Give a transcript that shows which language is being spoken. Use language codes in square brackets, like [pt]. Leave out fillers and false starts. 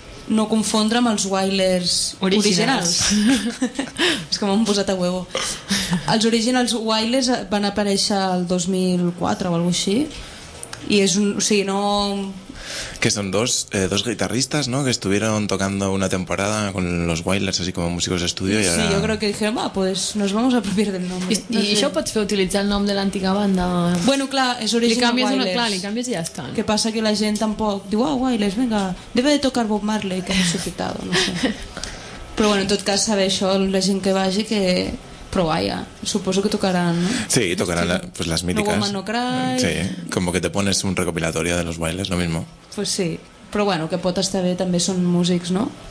[ca] No confondre amb els Wailers originals. És que m'han posat [es] a huevo. [ca] Els Originals Wailers van aparèixer el 2004 o alguna cosa així. I és un... o sigui, no... Que són dos guitarristes, no? [es] Que estuvieron tocando una temporada con los Wailers, así como músicos de estudio. Sí, ahora... yo creo que dijeron, va, pues nos vamos a apropiar del nombre. [ca] I això ho pots fer utilitzar el nom de l'antiga banda. Bueno, clar, és Original Wailers. Una, clar, li canvies i ja està. Que passa que la gent tampoc diu, ah, oh, Wailers, [es] venga, debe de tocar Bob Marley, [ca] que ha suscitat, no sé. Però bueno, en tot cas, saber això, la gent que vagi, que... Però vaja, suposo que tocaran, no? Sí, tocaran la, pues, les mítiques. [en] No Woman No Cry. [es] Sí, como que te pones un recopilatorio de los Wailers, lo mismo. Pues sí, [ca] però bueno, que pot estar bé, també són músics, no?